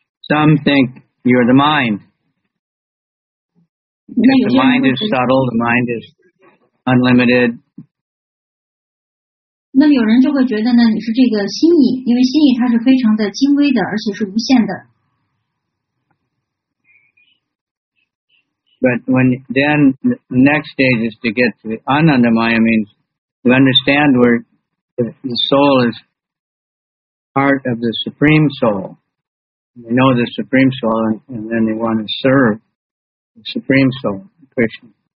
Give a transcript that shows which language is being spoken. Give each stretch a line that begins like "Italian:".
English: Some think you're the mind. The mind is subtle, the mind is unlimited.
Chinese: 那有人就会觉得呢，你是这个心意，因为心意它是非常的精微的，而且是无限的。
English: But when then the next stage is to get to Anandamaya means to understand where the soul is part of the Supreme Soul. You know the Supreme Soul, and then they want to serve the Supreme Soul, Krishna.